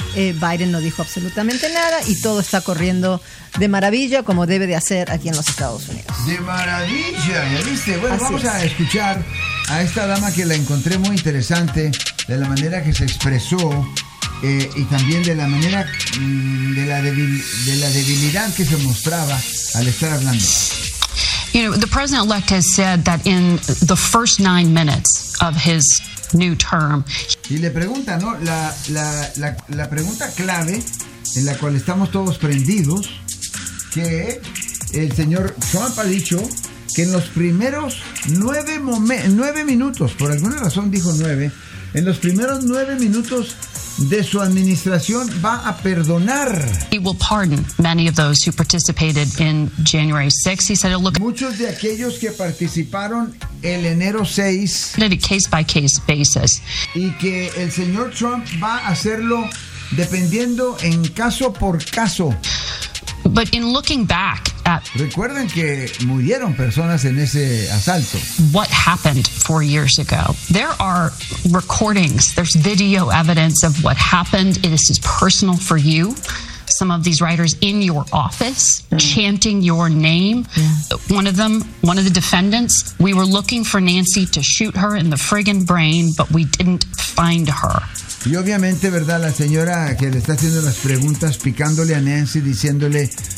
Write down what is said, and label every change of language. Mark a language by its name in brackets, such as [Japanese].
[Spanish] Biden no dijo absolutamente nada y todo está corriendo de maravilla, como debe de hacer aquí en los Estados Unidos. De maravilla, ¿ya viste? Bueno, así vamos a escuchar a esta dama que la encontré muy interesante de la manera que se expresó, y también de la manera de la debilidad que se mostraba al estar hablando. [English] You know, the president-elect has said that in the first 9 minutes of his new term. [Spanish] Y le pregunta, ¿no? La pregunta clave en la cual estamos todos prendidos, que el señor Trump ha dicho que en los primeros 9 minutos, por alguna razón dijo 9, en los primeros 9 minutos de su administración va a perdonar. [English] He will pardon many of those who participated in January 6th. He said, look, [Spanish] muchos de aquellos que participaron el enero 6, [English] on a case by case basis. [Spanish] Y que el señor Trump va a hacerlo dependiendo en caso por caso. [English] But in looking back at, [Spanish] recuerden que murieron personas en ese asalto. [English] What happened 4 years ago? There are recordings, there's video evidence of what happened. This is personal for you. Some of these writers in your office chanting your name. Yeah. One of them, one of the defendants, we were looking for Nancy to shoot her in the friggin' brain, but we didn't find her. [Spanish] Y obviamente, ¿verdad? La señora que le está haciendo las preguntas, picándole a Nancy, diciéndole